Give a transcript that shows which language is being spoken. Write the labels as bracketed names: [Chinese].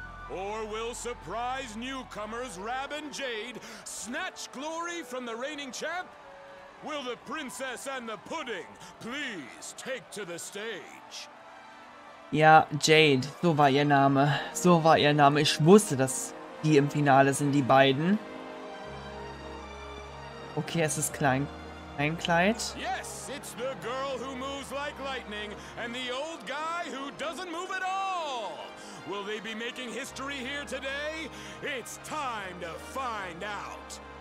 [English] Or will surprise newcomers Rab and Jade snatch glory from the reigning champ? Will the princess and the pudding please take to the stage? [German] Ja, Jade, so war ihr Name. So war ihr Name. Ich wusste, dass die im Finale sind, die beiden. Okay, es ist klein. Ein Kleid. [English] Yes, it's the girl who moves like lightning and the old guy who doesn't move at all. Will they be making history here today? It's time to find out.